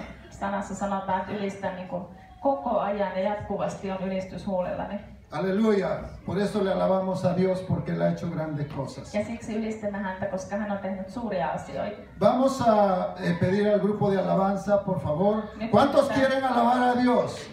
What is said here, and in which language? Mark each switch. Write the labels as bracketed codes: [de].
[fi] Sanassa sanotaan, että ylistän niin kuin koko ajan ja jatkuvasti on ylistys huulellani. [es] Aleluya! Por eso le alabamos a Dios, porque él ha hecho grandes cosas. [fi] Ja siksi ylistämme häntä, koska hän on tehnyt suuria asioita. [es] Vamos a pedir al grupo de alabanza, por favor. ¿Cuántos quieren alabar a Dios?